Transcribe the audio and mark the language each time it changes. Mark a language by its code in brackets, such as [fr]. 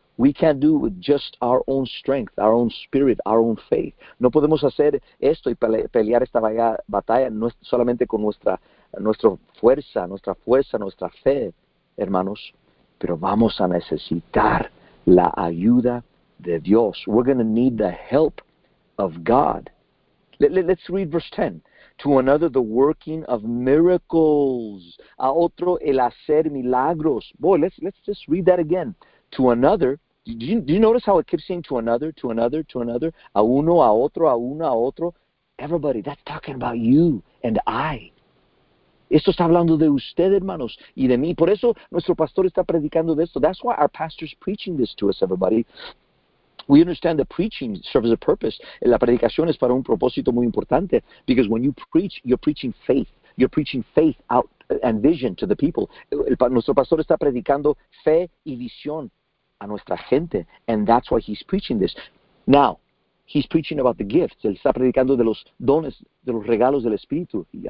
[en] We can't do it with just our own strength, our own spirit, our own faith. [es] No podemos hacer esto y pelear esta batalla solamente con nuestra fe, hermanos. Pero vamos a necesitar la ayuda de Dios. [en] We're going to need the help of God. Let's read verse 10. To another, the working of miracles. [es] A otro, el hacer milagros. [en] Boy, let's just read that again. To another, do you notice how it keeps saying to another, to another, to another? [es] A uno, a otro, a uno, a otro. [en] Everybody, that's talking about you and I. [es] Esto está hablando de usted, hermanos, y de mí. Por eso nuestro pastor está predicando de esto. [en] That's why our pastor's preaching this to us, everybody. We understand that preaching serves a purpose. [es] La predicación es para un propósito muy importante. [en] Because when you preach, you're preaching faith. You're preaching faith out and vision to the people. [es] Nuestro pastor está predicando fe y visión a nuestra gente. [en] And that's why he's preaching this. Now, he's preaching about the gifts. [es] Él está predicando de los dones, de los regalos del Espíritu.